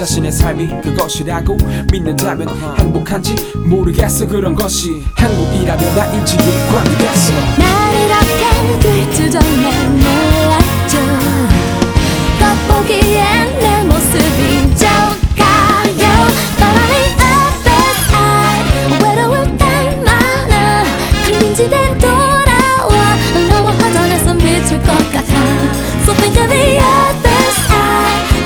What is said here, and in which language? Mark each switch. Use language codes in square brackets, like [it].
[ko] 삶이 그것이라고 믿는다면 uh-huh. 행복한지 모르겠어. 그런 것이 행복이라면 나인지 모르겠어. 날 이렇게 될 줄 정말 몰랐죠. 겉보기엔 내 모습이 좋아요. [en] But on the other side, [ko] 외로울 땐 많아. 큰 빈집엔 돌아와, 너와 화전해서 미칠 것 같아. [en] So think of the other side.